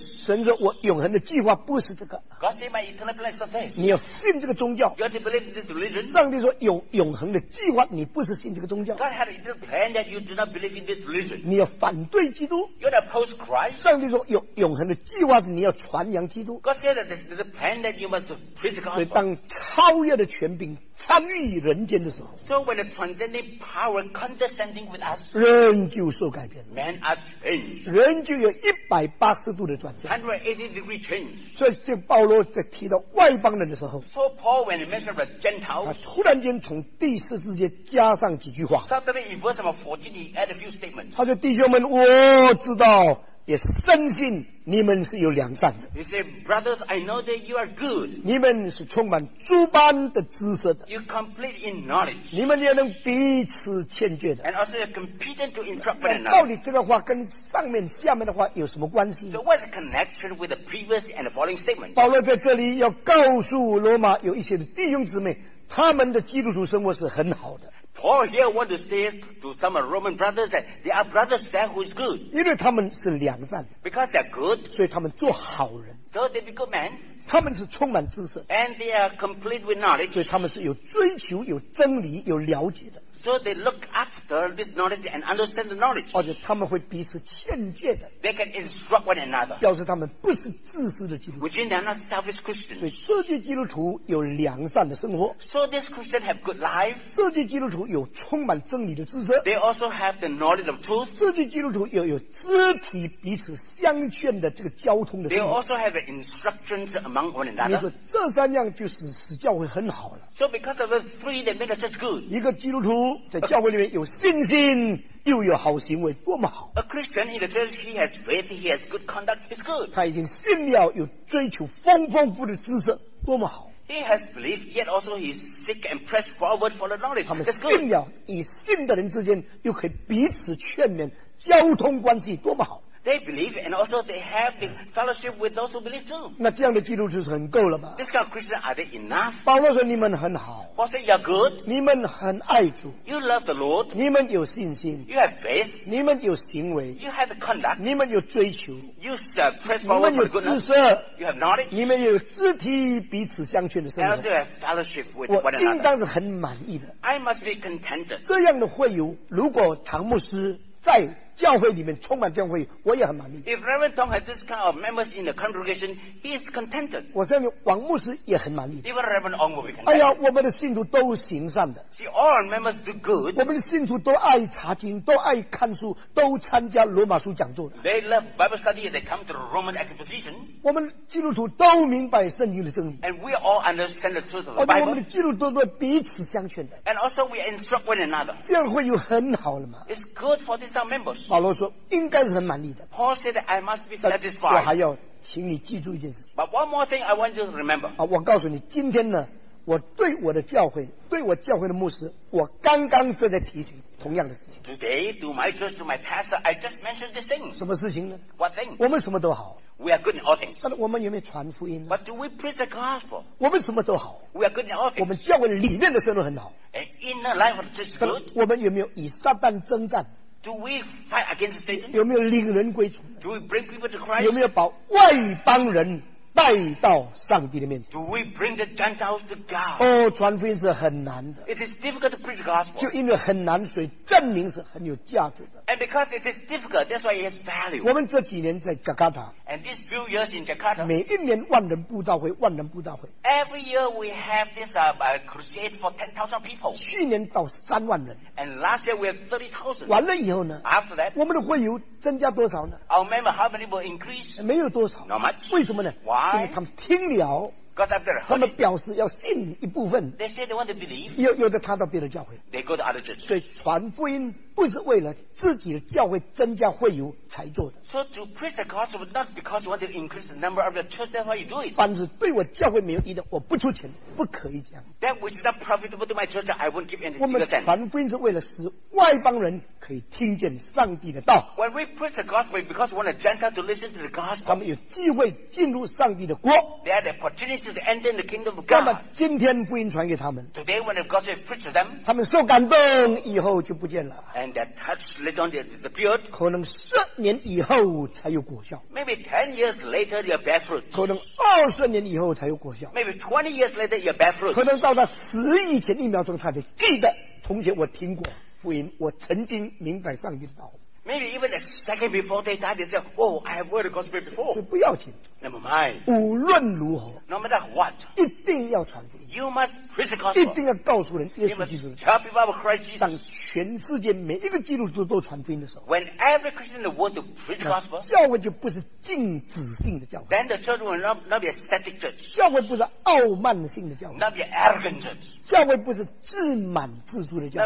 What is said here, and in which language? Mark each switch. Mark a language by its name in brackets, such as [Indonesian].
[Chinese] 神说我永恒的计划不是这个 [English] God said my eternal plan is not this [Chinese] 你要信这个宗教 [English] You have to believe this religion [Chinese] 上帝说有永恒的计划你不是信这个宗教 [English] God had an eternal plan that you do not believe in this religion [Chinese] 你要反对基督 [English] You want to oppose Christ [Chinese] 上帝说有永恒的计划你要传扬基督 [English] God said that this is a plan that you must preach the gospel [Chinese] 所以当超越的权柄参与人间的时候 [English] So when the transcending power condescending with us [Chinese] 人就受改变 [English] Men are changed [Chinese] 人就有180度的转向 [English] 180 degree change [Chinese] 所以这保罗在提到外邦人的时候 [English] So Paul when he mentioned the Gentiles [Chinese] 他突然间从第四世界加上几句话 [English] Suddenly in verse number 14 he added a few statements [Chinese] 他说弟兄们我知道也深信你们是有良善的 [English] He said brothers I know that you are good [Chinese] 你们是充满诸般的知识的 [English] You're complete in knowledge [Chinese] 你们也能彼此劝诫的 [English] And also you're competent to interpret another [Chinese] 到底这个话跟上面下面的话有什么关系 [English] So what's the connection with the previous and the following statement [Chinese] 保罗在这里要告诉罗马有一些的弟兄姊妹他们的基督徒生活是很好的 [English] Paul here wants to say to some Roman brothers that there are brothers there who is good [Chinese] 因为他们是良善 [English] Because they are good [Chinese] 所以他们做好人 [English] So they be good men [Chinese] 他们是充满知识 [English] And they are complete with knowledge [Chinese] 所以他们是有追求有真理有了解的 [English] So they look after this knowledge and understand the knowledge [Chinese] 而且他们会彼此劝诫的 [English] They can instruct one another [Chinese] 表示他们不是自私的基督徒 [English] Which means they are not selfish Christians [Chinese] 所以这些基督徒有良善的生活 [English] So this Christian have good life [Chinese] 这些基督徒有充满真理的知识 [English] They also have the knowledge of truth [Chinese] 这些基督徒又有肢体彼此相劝的这个交通的生活 [English] They also have the instructions among one another [Chinese] 你说这三样就是使教会很好了 [English] So because of the three that made the church good [Chinese] 一个基督徒在教会里面有信心又有好行为多么好 [English] A Christian in the church he has faith he has good conduct he's good [Chinese] 他已经信了有追求丰富的知识多么好 [English] He has belief yet also he is sick and pressed forward for the knowledge [Chinese] 他们信了以信的人之间又可以彼此劝勉交通关系多么好 [English] They believe and also they have the fellowship with those who believe too [Chinese] 那这样的基督徒是很够了吧 [English] This kind of Christian are they enough [Chinese] 保罗说你们很好 [English] Paul said, "You're good." [Chinese] 你们很爱主。 [English] You love the Lord. [Chinese] 你们有信心。 [English] You have faith. [Chinese] 你们有行为。 [English] You have the conduct. [Chinese] 你们有追求。 [English] You press forward. [Chinese] 你们有知识。 [English] You have knowledge. [Chinese] 你们有肢体彼此相劝的生活。 [English] And also have fellowship with one another. [Chinese] 我应当是很满意的。 [English] I must be contented. [Chinese] 这样的会友，如果唐牧师在教会里面充满这样会议，我也很满意。 [English] If Reverend Tong had this kind of members in the congregation, he is contented. [Chinese] 我相信王牧师也很满意。 [English] Even Reverend Ong will be contented. [Chinese] 哎呀，我们的信徒都行善的。 [English] See, all members do good. [Chinese] 我们的信徒都爱查经，都爱看书，都参加罗马书讲座的。 [English] They love Bible study and they come to Roman exposition. [Chinese] 我们基督徒都明白圣经的真理。 [English] And we all understand the truth of the Bible. [Chinese] 我们的基督徒都彼此相劝的。 [English] And also we instruct one another. [Chinese] 这样会有很好了吗 [English] ？It's good for these members. [Chinese] 保罗说应该是很满意的。 [English] Paul said I must be satisfied. [Chinese] 我还要请你记住一件事。 [English] But one more thing I want you to remember. [Chinese] 我告诉你，今天呢，我对我的教会，对我教会的牧师，我刚刚正在提醒同样的事情。 [English] Today, to my church, to my pastor, I just mentioned this thing. [Chinese] 什么事情呢 [English] ？What thing? [Chinese] 我们什么都好。 [English] We are good in all things. [Chinese] 但是我们有没有传福音呢 [English] ？But do we preach the gospel? [Chinese] 我们什么都好。 [English] We are good in all things. [Chinese] 我们教会里面的生活很好。 [English] And in the life of the church, good. [Chinese] 我们有没有与撒旦征战 [English] ？Do we fight against Satan? [Chinese] 有没有领人归主 [English] ？Do we bring people to Christ? [Chinese] 有没有把外邦人带到上帝的面前 [English] ？Do we bring the Gentiles to God? [Chinese] 哦，传福音是很难的。 [English] It is difficult to preach gospel. [Chinese] 就因为很难，所以证明是很有价值的。 [English] And because it is difficult, that's why it has value. [Chinese] 我们这几年在 Jakarta. [English] And these few years in Jakarta. [Chinese] 每一年万人布道会，万人布道会。 [English] Every year we have this crusade for 10,000 people. [Chinese] 去年到三万人。 [English] And last year we have 30,000. [Chinese] 完了以后呢 [English] ？After that, [Chinese] 我们的会友增加多少呢 [English] ？Our member how many will increase? [Chinese] 没有多少。 [English] Not much. [Chinese] 为什么呢 [English] ？Why? [Chinese] 因为他们听了他们表示要信一部分 [English] they say they want to believe, [Chinese] 有的他到别的教会 [English] they go to other churches. [Chinese] 所以传福音不是为了自己的教会增加会友才做的 [English] so to preach the gospel not because you want to increase the number of your church that's why you do it [Chinese] 凡是对我教会没有益的我不出钱不可以这样 [English] that which is not profitable to my church I won't give any single cent [Chinese] 我们传福音是为了使外邦人可以听见上帝的道 [English] when we preach the gospel because we want a Gentile to listen to the gospel [Chinese] 他们有机会进入上帝的国 [English] they have the opportunity to enter the kingdom of God [Chinese] 那么今天福音传给他们 [English] today when the gospel is preached to them [Chinese] 他们受感动以后就不见了 [English] andThat touch later on they disappeared. [Chinese] 可能十年以后才有果效。 [English] Maybe 10 years later they bear fruit. [Chinese] 可能二十年以后才有果效。 [English] Maybe 20 years later you bear fruit. [Chinese] 可能到他死以前一秒钟，他才记得从前我听过福音，我曾经明白上帝的道。 [English] Maybe even a second before they die, they say, "Oh, I have heard the gospel before." [Chinese] 不要紧。 [English] Never mind. [Chinese] 无论如何 [English] ，No matter what, [Chinese] 一定要传福音。 [English] You must preach the gospel. [Chinese] 一定要告诉人耶稣基督。 [English] You must tell people about Christ Jesus. [Chinese] 当全世界每一个基督徒都传福音的时候 [English] ，When every Christian in the world preach the gospel, [Chinese] 教会就不是静止性的教会。 [English] Then the church will not be a static church. [Chinese] 教会不是傲慢性的教会。 [English] Not be arrogant church. [Chinese] 教会不是自满自足的教会。